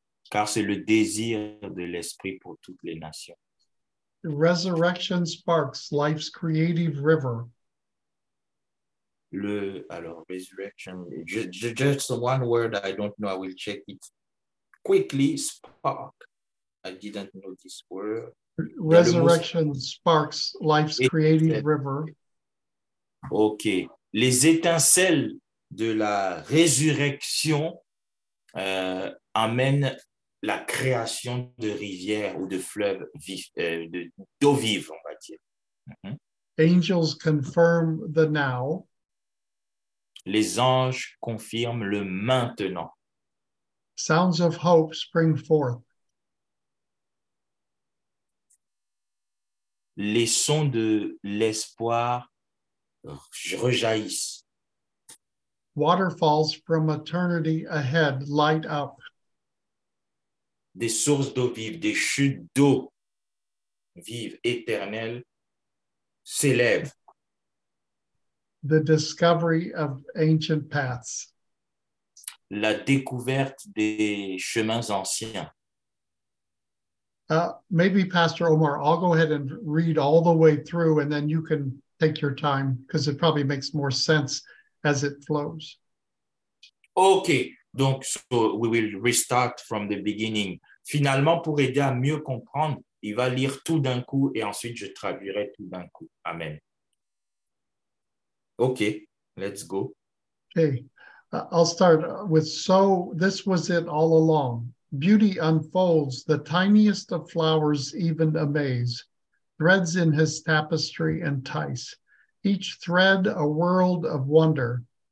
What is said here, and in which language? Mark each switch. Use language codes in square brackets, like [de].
[fr] Car c'est le désir de l'esprit pour toutes les nations. [en] Resurrection sparks life's creative river. Resurrection. Just one word, I don't know, I will check it. Quickly, spark. I didn't know this word. Resurrection sparks life's creative river. OK. [fr] Les étincelles de la résurrection amènent la création de rivières ou de fleuves d'eau vive, on va dire. [en] Angels confirm the now. [fr] Les anges confirment le maintenant. [en] Sounds of hope spring forth. [fr] Les sons de l'espoir rejaillissent. [en] Waterfalls from eternity ahead light up. [fr] Des sources d'eau vive, des chutes d'eau vive, éternelle, s'élèvent. [en] The discovery of ancient paths. [fr] La découverte des chemins anciens. [en] Maybe Pastor Omar, I'll go ahead and read all the way through and then you can take your time because it probably makes more sense as it flows. Okay, donc so we will restart from the beginning. [fr] Finalement, pour aider à mieux comprendre, il va lire tout d'un coup et ensuite je traduirai tout d'un coup. [en] Amen. Okay, let's go. Okay, I'll start with, so this was it all along. Beauty unfolds, the tiniest of flowers even amaze. Threads in his tapestry entice. Each thread a world of wonder.